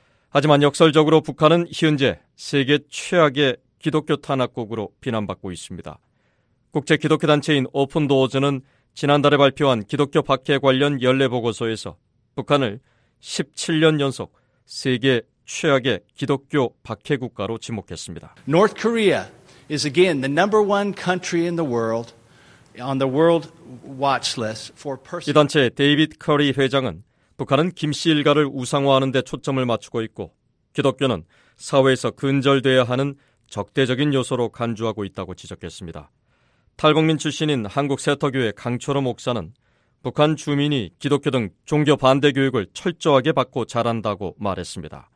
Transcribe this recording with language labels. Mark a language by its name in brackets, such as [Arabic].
[Korean] 하지만 역설적으로 북한은 현재 세계 최악의 기독교 탄압국으로 비난받고 있습니다. 국제 기독교 단체인 오픈도어즈는 지난달에 발표한 기독교 박해 관련 연례보고서에서 북한을 17년 연속 세계 최악의 기독교 박해 국가로 지목했습니다. [English] North Korea is again the number one country in the world on the world watch list for persecution. [Korean] 이 단체의 데이비드 커리 회장은 북한은 김 씨 일가를 우상화하는 데 초점을 맞추고 있고 기독교는 사회에서 근절돼야 하는 적대적인 요소로 간주하고 있다고 지적했습니다. 탈북민 출신인 한국 세터교회 강초로 목사는 북한 주민이 기독교 등 종교 반대 교육을 철저하게 받고 자란다고 말했습니다.